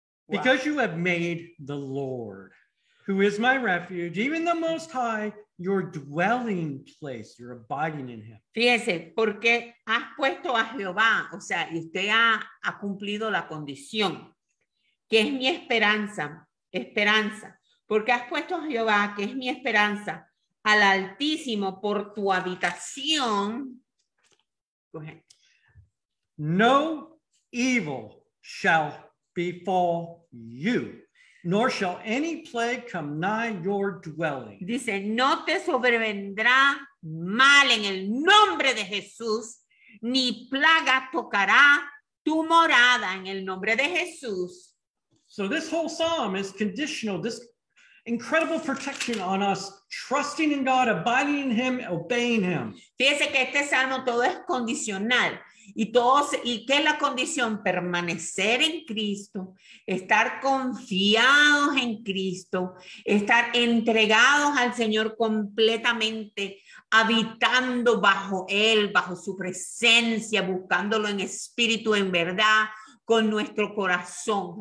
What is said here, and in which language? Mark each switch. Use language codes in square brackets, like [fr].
[en] Because you have made the Lord, who is my refuge, even the Most High, your dwelling place, your abiding in him. [es] Fíjese, porque has puesto a Jehová, o sea, y usted ha cumplido la condición, que es mi esperanza, porque has puesto a Jehová, que es mi esperanza, al Altísimo por tu habitación. [en] Go ahead. No evil shall befall you. Nor shall any plague come nigh your dwelling. [es] Dice, no te sobrevendrá mal en el nombre de Jesús, ni plaga tocará tu morada en el nombre de Jesús. [en] So this whole psalm is conditional, this incredible protection on us, trusting in God, abiding in Him, obeying Him. [es] Fíjese que este salmo todo es condicional. ¿Y qué es la condición? Permanecer en Cristo, estar confiados en Cristo, estar entregados al Señor completamente, habitando bajo Él, bajo su presencia, buscándolo en espíritu, en verdad, con nuestro corazón.